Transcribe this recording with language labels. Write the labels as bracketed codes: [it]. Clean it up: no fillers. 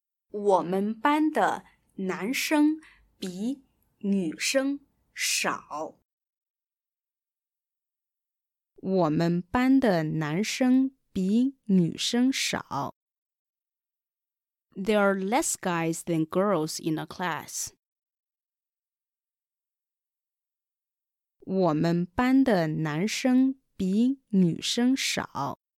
[zh] 我们班的男生比女生少。我们班的男生比女生少。 [en] There are less guys than girls in a class. [zh] 我们班的男生比女生少。